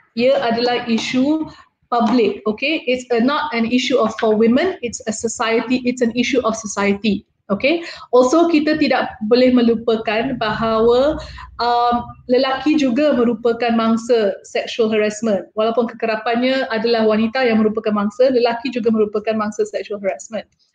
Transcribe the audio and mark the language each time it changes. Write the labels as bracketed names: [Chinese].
[Malay] Ia adalah isu public, okay? [English] It's not an issue of for women, it's a society, it's an issue of society, okay? [Malay] Also, kita tidak boleh melupakan bahawa lelaki juga merupakan mangsa sexual harassment. Walaupun kekerapannya adalah wanita yang merupakan mangsa, lelaki juga merupakan mangsa sexual harassment.